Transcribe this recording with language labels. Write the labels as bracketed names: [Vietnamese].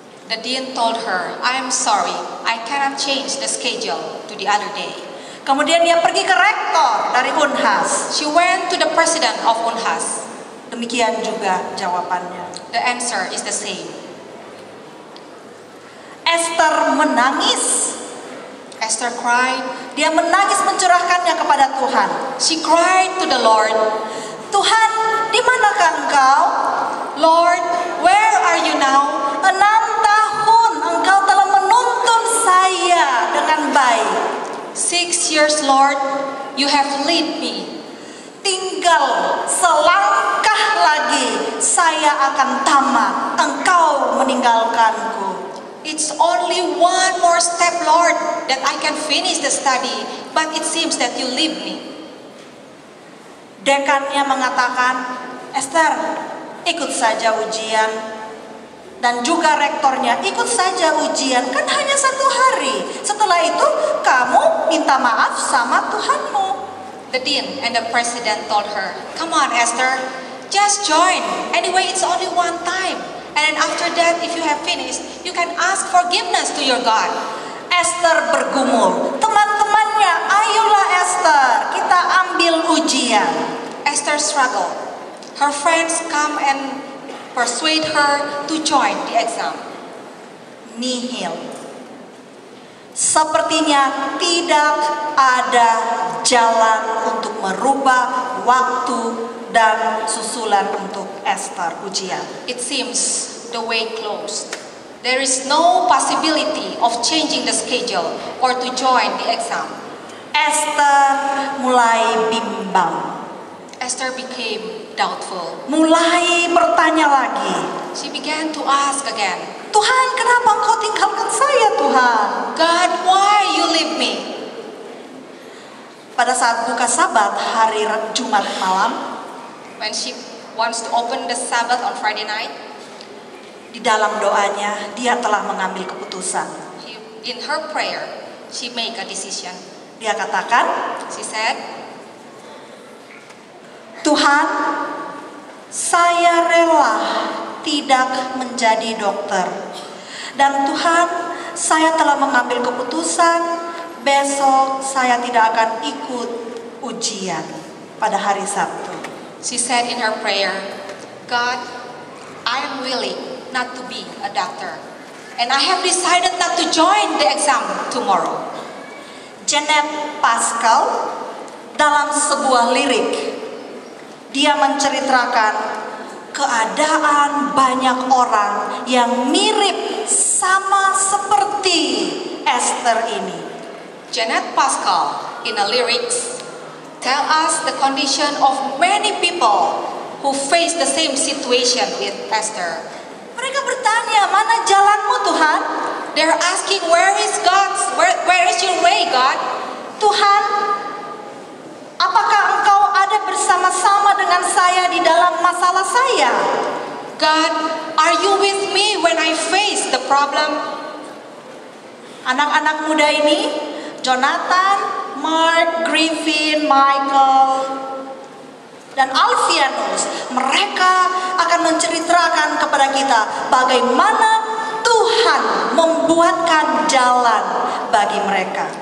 [English] The dean told her, I am sorry, I cannot change the schedule to the other day. [Indonesian] Kemudian dia pergi ke rektor dari Unhas. [English] She went to the president of Unhas. [Indonesian] Demikian juga jawabannya. [English] The answer is the same. [Indonesian] Esther menangis. [English] Esther cried. [Indonesian] Dia menangis mencurahkannya kepada Tuhan. [English] She cried to the Lord. [Indonesian] Tuhan, di manakah engkau? [English] Lord, where are you now? [Indonesian] 6 tahun engkau telah menuntun saya dengan baik. [English] 6 years, Lord, you have led me. [Indonesian] Tinggal selangkah lagi, saya akan tamat. Engkau meninggalkanku. [English] It's only one more step, Lord, that I can finish the study, but it seems that you leave me. [Indonesian] Dekannya mengatakan, Esther, ikut saja ujian. Dan juga rektornya, ikut saja ujian, kan hanya 1 hari. Setelah itu, kamu minta maaf sama Tuhanmu. [English] The dean and the president told her, come on, Esther, just join. Anyway, it's only one time. And then after that, if you have finished, you can ask forgiveness to your God. [Indonesian] Esther bergumul, teman-temannya, ayolah Esther, kita ambil ujian. [English] Esther struggle. Her friends come and persuade her to join the exam. [Indonesian] Nihil. Sepertinya tidak ada jalan untuk merubah waktu dan susulan untuk Esther ujian. [English] It seems the way closed. There is no possibility of changing the schedule or to join the exam. [Indonesian] Esther mulai bimbang. [English] Esther became doubtful. [Indonesian] Mulai bertanya lagi. [English] She began to ask again. [Indonesian] Tuhan, kenapa engkau tinggalkan saya, Tuhan? [English] God, why you leave me? [Indonesian] Pada saat buka Sabat hari Jumat malam, [English] when she wants to open the Sabbath on Friday night, [Indonesian] di dalam doanya dia telah mengambil keputusan. [English] In her prayer, she make a decision. [Indonesian] Dia katakan, [English] she said, [Indonesian] Tuhan, saya rela tidak menjadi dokter. Dan Tuhan, saya telah mengambil keputusan, besok saya tidak akan ikut ujian pada hari Sabtu. [English] She said in her prayer, God, I am willing not to be a doctor. And I have decided not to join the exam tomorrow. [Indonesian] Jeanette Pascal dalam sebuah lirik, dia menceritakan keadaan banyak orang yang mirip sama seperti Esther ini. [English] Jeanette Pascal in a lyrics tell us the condition of many people who face the same situation with Esther. [Indonesian] Mereka bertanya, mana jalanmu Tuhan? [English] They're asking, where is God's, where is your way, God? [Indonesian] Tuhan, apakah engkau ada bersama-sama dengan saya di dalam masalah saya? [English] God, are you with me when I face the problem. [Indonesian] Anak-anak muda ini, Jonathan, Mark, Griffin, Michael, dan Alfianus, mereka akan menceritakan kepada kita bagaimana Tuhan membuatkan jalan bagi mereka.